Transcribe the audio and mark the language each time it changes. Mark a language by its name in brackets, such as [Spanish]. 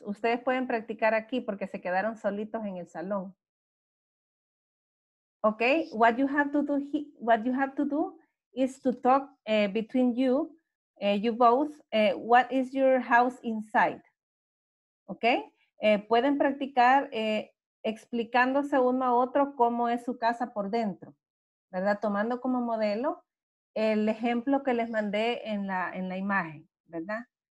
[Spanish] Ustedes pueden practicar aquí porque se quedaron solitos en el salón. [English] Okay, what you have to do, is to talk between you, you both, what is your house inside? [Spanish] Okay, pueden practicar explicándose uno a otro cómo es su casa por dentro, ¿verdad? Tomando como modelo el ejemplo que les mandé en la imagen, ¿verdad?